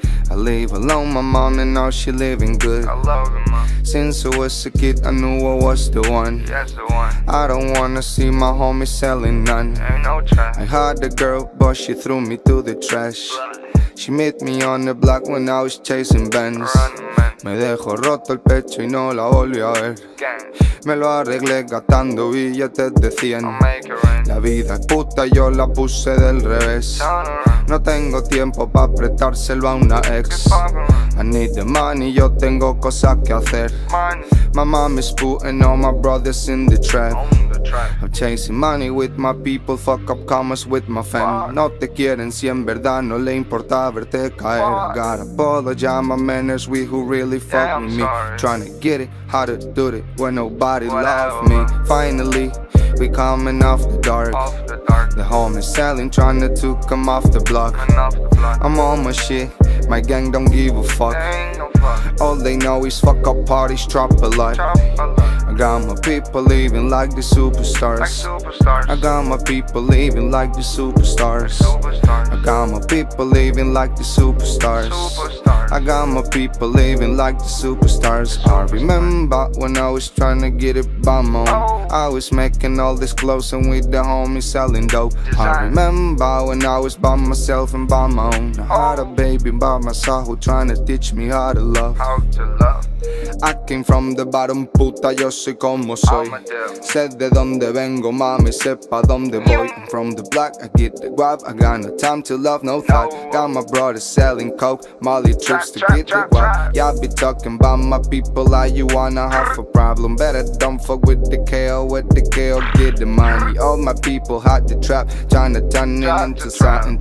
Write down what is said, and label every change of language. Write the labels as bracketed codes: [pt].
[en] I live alone, my mom, and now she living good. I love her, mom. Since I was a kid, I knew I was the one. Yes, the one. I don't wanna see my homie selling none. Ain't no try. I had a girl, but she threw me to the trash. She met me on the block when I was chasing Benz. [es] Me dejo roto el pecho y no la volví a ver. Me lo arreglé gastando billetes de 100. La vida es puta, yo la puse del revés. No tengo tiempo pa' prestárselo a una ex. [en] I need the money, [es] yo tengo cosas que hacer. [en] My mom is putting all my brothers in the trap. I'm chasing money with my people, fuck up commas with my fam. [es] No te quieren si en verdad no le importa verte caer. [en] I got a bottle of jam, my manners with who really fuck yeah, with sorry. Me. Trying to get it, how to do it when nobody love me. Finally, we coming off the dark. The homies selling, trying to come off the block. I'm on my shit, my gang don't give a fuck. All they know is fuck up parties, drop a lot. I got my people living like the superstars. I got my people living like the superstars. I got my people living like the superstars. I got my people living like the superstars. I remember when I was trying to get it by my own. I was making all this clothes and with the homies selling dope. I remember when I was by myself and by my own. I had a baby by my side who trying to teach me how to love. I came from the bottom, puta, [es] yo soy como soy. Sé de donde vengo, mami, sé pa' donde voy. [en] I'm from the block, I get the guap. I got no time to love, no thought. Got my brother selling coke, Molly trips to get the guap. Y'all be talking about my people, like you wanna have a problem. Better don't fuck with the KO, with the KO, get the money. All my people hot the trap, tryna turn it into something.